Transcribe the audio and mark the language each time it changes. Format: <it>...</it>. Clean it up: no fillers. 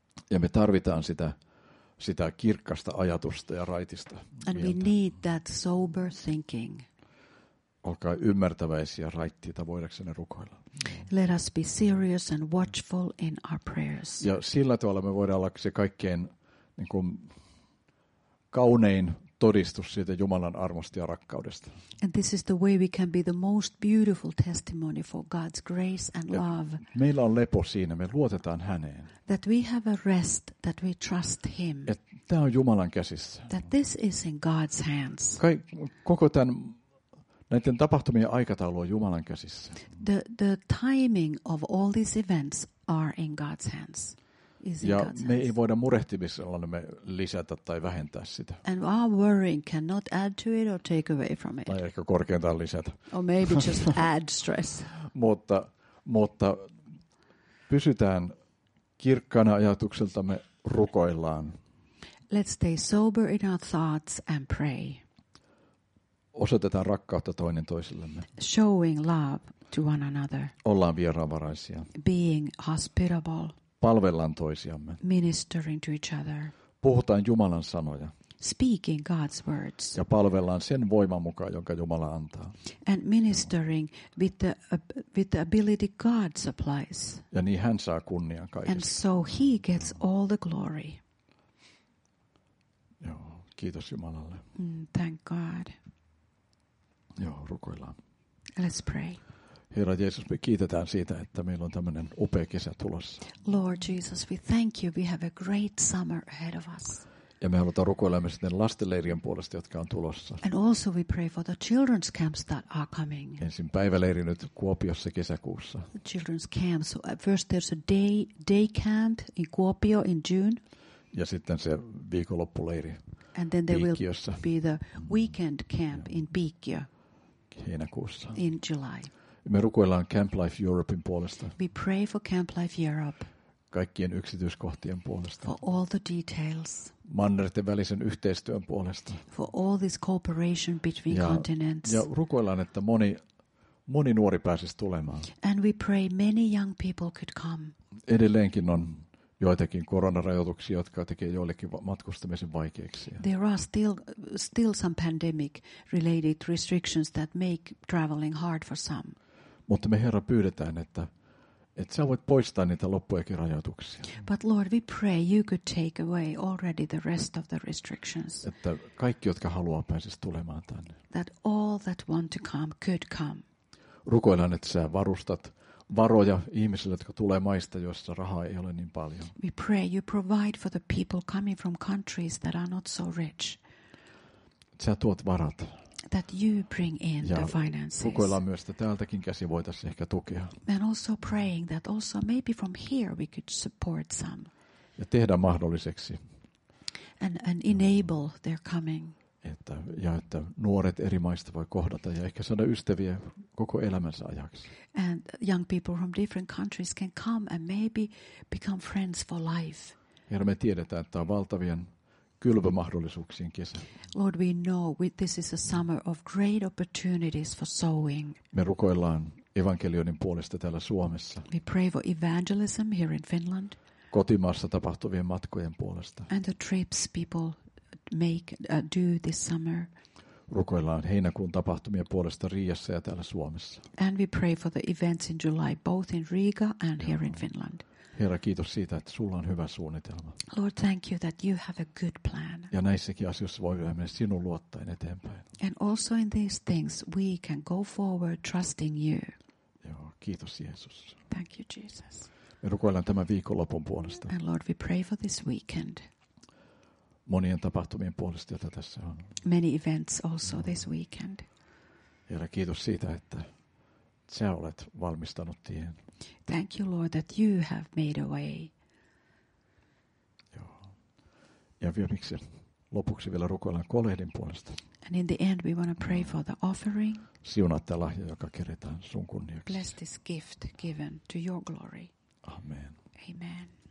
<fi>Ja me tarvitaan sitä kirkasta ajatusta ja raitista. And mieltä.</fi> <en>We need that sober thinking.</en> <fi>Olkaa ymmärtäväisiä raittiita voidaksenne rukoilla.</fi> <en>Let us be serious and watchful in our prayers.</en> <fi>Ja sillä tavalla me voidaan olla se kaikkein niin kuin kaunein todistus siitä Jumalan armosta ja rakkaudesta.</fi> <en>And this is the way we can be the most beautiful testimony for God's grace and love.</en> <fi>Meillä on lepo siinä, me luotetaan häneen.</fi> <en>That we have a rest, that we trust him.</en> <fi>Tämä on Jumalan käsissä.</fi> <en>That this is in God's hands.</en> <fi>Koko tämän näiden tapahtumien aikataulu on Jumalan käsissä.</fi> <en>The timing of all these events are in God's hands.</en> <fi>Ja me ei voida murehtimisella me lisätä tai vähentää sitä.</fi> <en>And our worrying cannot add to it or take away from it.</en> <fi>Tai ehkä korkeintaan lisätä.</fi> <en>Or maybe just add stress.</en> <fi>mutta pysytään kirkkaana ajatukseltamme rukoillaan.</fi> <en>Let's stay sober in our thoughts and pray.</en> <fi>Osoitetaan rakkautta toinen toisillemme.</fi> <en>Showing love to one another.</en> <fi>Ollaan vieraanvaraisia.</fi> <en>Being hospitable.</en> <fi>Palvellaan toisiamme.</fi> <en>Ministering to each other.</en> <fi>Puhutaan Jumalan sanoja.</fi> <en>Speaking God's words.</en> <fi>Ja palvellaan sen voiman mukaan, jonka Jumala antaa.</fi> <en>And ministering with the ability God supplies.</en> <fi>Ja niin hän saa kunnian kaikesta.</fi> <en>And so he gets all the glory.</en> <fi>Joo, kiitos Jumalalle.</fi> <en>Thank God.</en> <fi>Joo, rukoillaan.</fi> <en>Let's pray.</en> <fi>Herra Jeesus, me kiitetään siitä, että meillä on tämmöinen upea kesä tulossa.</fi> <en>Lord Jesus, we thank you. We have a great summer ahead of us.</en> <fi>Ja me halutaan rukoilla myös sitten lastenleirien puolesta, jotka on tulossa.</fi> <en>And also we pray for the children's camps that are coming.</en> <fi>Ensin päiväleiri nyt Kuopiossa kesäkuussa.</fi> <en>The children's camp. So first there's a day camp in Kuopio in June.</en> <fi>Ja sitten se viikonloppuleiri.</fi> <en>And then there will be the weekend camp in Piikkiö.</en> <fi>Heinäkuussa.</fi> <en>In July.</en> <fi>Me rukoillaan Camp Life Europein puolesta.</fi> <en>We pray for Camp Life Europe.</en> <fi>Kaikkien yksityiskohtien puolesta.</fi> <en>For all the details.</en> <fi>Mannerten välisen yhteistyön puolesta.</fi> <en>For all this cooperation between continents.</en> <fi>Ja rukoillaan, että moni nuori pääsisi tulemaan.</fi> <en>And we pray many young people could come.</en> <fi>Edelleenkin on joitakin koronarajoituksia, jotka tekee joillekin matkustamisen vaikeaksi.</fi> <en>There are still some pandemic related restrictions that make traveling hard for some.</en> <fi>Mutta me Herra pyydetään, että että sä voit poistaa niitä loppujakin rajoituksia.</fi> <en>But Lord, we pray you could take away already the rest of the restrictions.</en> <fi>Että kaikki, jotka haluaa, pääsisi tulemaan tänne.</fi> <en>That all that want to come could come.</en> <fi>Rukoillaan, että sä varustat varoja ihmisille, jotka tulee maista, joissa rahaa ei ole niin paljon.</fi> <en>We pray you provide for the people coming from countries that are not so rich.</en> <fi>Sä tuot varat.</fi> <en>That you bring in the finances.</en> <fi>Ja rukoillaan myös, että täältäkin käsi voitaisiin ehkä tukea.</fi> <en>And also praying that also maybe from here we could support some.</en> <fi>Ja tehdä mahdolliseksi.</fi> <en>And enable their coming.</en> <fi>Että, ja että nuoret eri maista voi kohdata ja ehkä saada ystäviä koko elämänsä ajaksi.</fi> <en>And young people from different countries can come and maybe become friends for life.</en> <fi>Herra, me tiedetään, että on valtavien kylvömahdollisuuksien kesä.</fi> <en>Lord, we know this is a summer of great opportunities for sowing.</en> <fi>Me rukoillaan evankelioinnin puolesta täällä Suomessa.</fi> <en>We pray for evangelism here in Finland.</en> <fi>Kotimaassa tapahtuvien matkojen puolesta.</fi> <en>And the trips people make do this summer.</en> <fi>Rukoillaan heinäkuun tapahtumien puolesta Riiassa ja täällä Suomessa.</fi> <en>And we pray for the events in July both in Riga and here in Finland.</en> <fi>Herra, kiitos siitä, että sulla on hyvä suunnitelma.</fi> <en>Lord, thank you that you have a good plan.</en> <fi>Ja näissäkin asioissa voi mennä sinun luottaen eteenpäin.</fi> <en>And also in these things we can go forward trusting you.</en> <fi>Joo, kiitos Jeesus.</fi> <en>Thank you Jesus.</en> <fi>Me rukoillaan tämän viikonlopun puolesta.</fi> <en>And Lord, we pray for this weekend.</en> <fi>Monien tapahtumien puolesta, joita tässä on.</fi> <en>Many events also this weekend.</en> <fi>Herra, kiitos siitä, että sä olet valmistanut tien.</fi> <en>Thank you, Lord, that you have made a way.</en> <fi>Joo. Ja viimeksi lopuksi vielä rukoillaan kolehdin puolesta.</fi> <en>And in the end we want to pray for the offering.</en> <fi>Siunaa tämä lahja, joka keretään sun kunniaksi.</fi> <en>Bless this gift given to your glory.</en> <fi>Amen.</fi> <en>Amen.</en>